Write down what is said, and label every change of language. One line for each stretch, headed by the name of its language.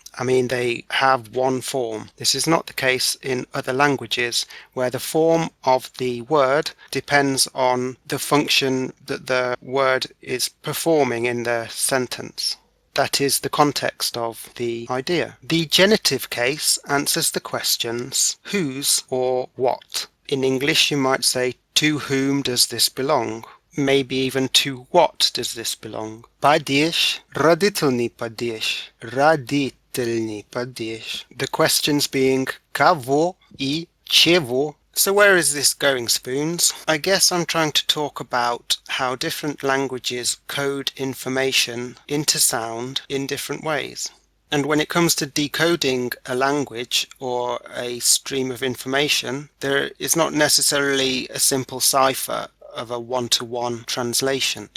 English: I mean, they have one form. This is not the case in other languages, where the form of the word depends on the function that the word is performing in the sentence. That is the context of the idea. The genitive case answers the questions whose or what. In English, you might say, to whom does this belong? Maybe even to what does this belong?
Russian: Падеж, родительный падеж, родительный падеж.
English: The questions being
Russian: кого и чего.
English: So where is this going, Spoons? I guess I'm trying to talk about how different languages code information into sound in different ways. And when it comes to decoding a language or a stream of information, there is not necessarily a simple cipher of a one-to-one translation.